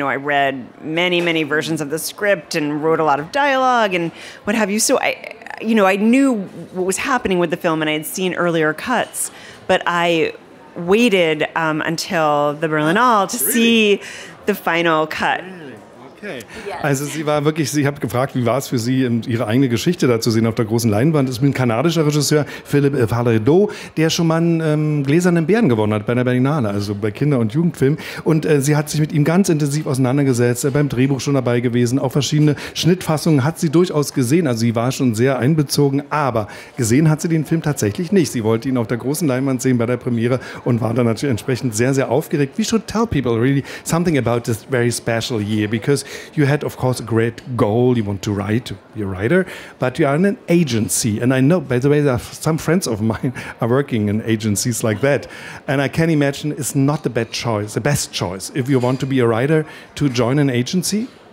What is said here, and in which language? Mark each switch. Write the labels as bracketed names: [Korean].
[English] You know, I read many, many versions of the script and wrote a lot of dialogue and what have you. So I knew what was happening with the film and I had seen earlier cuts, but I waited until the Berlinale to see the final cut. Okay. [German] Also sie war wirklich, ich habe gefragt, wie war es für sie, ihre eigene Geschichte da zu sehen auf der großen Leinwand. Das ist mit einem kanadischen Regisseur, Philippe Falardeau, der schon mal einen gläsernen Bären gewonnen hat bei der Berlinale, also bei Kinder- und Jugendfilmen. Und sie hat sich mit ihm ganz intensiv auseinandergesetzt, beim Drehbuch schon dabei gewesen, auch verschiedene Schnittfassungen hat sie durchaus gesehen. Also sie war schon sehr einbezogen, aber gesehen hat sie den Film tatsächlich nicht. Sie wollte ihn auf der großen Leinwand sehen bei der Premiere und war dann natürlich entsprechend sehr, sehr aufgeregt. [English] We should tell people really something about this very special year, because you had, of course, a great goal. You want to write, you're a writer, but you are in an agency. And I know, by the way, there are some friends of mine are working in agencies like that. And I can imagine it's not the bad choice, the best choice, if you want to be a writer, to join an agency.